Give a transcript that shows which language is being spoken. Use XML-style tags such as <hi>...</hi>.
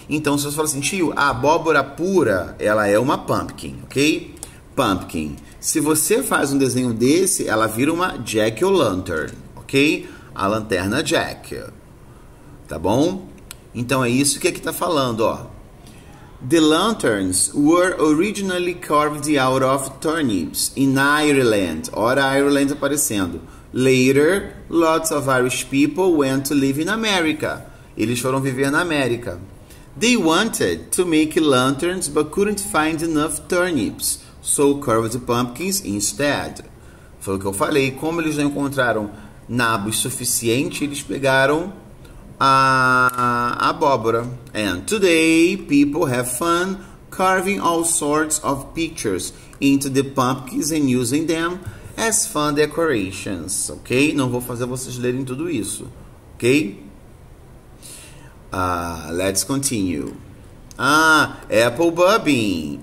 <pt>Então se você fala assim, tio, a abóbora pura, ela é uma pumpkin, ok? Pumpkin. Se você faz um desenho desse, ela vira uma jack-o'-lantern, ok? A lanterna jack, tá bom? Então é isso que aqui tá falando, ó.</pt> <en>The lanterns were originally carved out of turnips in Ireland.</en> <pt>Ora, Ireland aparecendo.</pt> <en>Later, lots of Irish people went to live in America.</en> <pt>Eles foram viver na América.</pt> <en>They wanted to make lanterns but couldn't find enough turnips, so carved pumpkins instead.</en> <pt>Foi o que eu falei. Como eles não encontraram nabos suficientes, eles pegaram a abóbora.</pt> <en>And today people have fun carving all sorts of pictures into the pumpkins and using them as fun decorations.</en> <pt>Ok? Não vou fazer vocês lerem tudo isso. Ok?</pt> <en>Let's continue. Apple Bubbing.</en>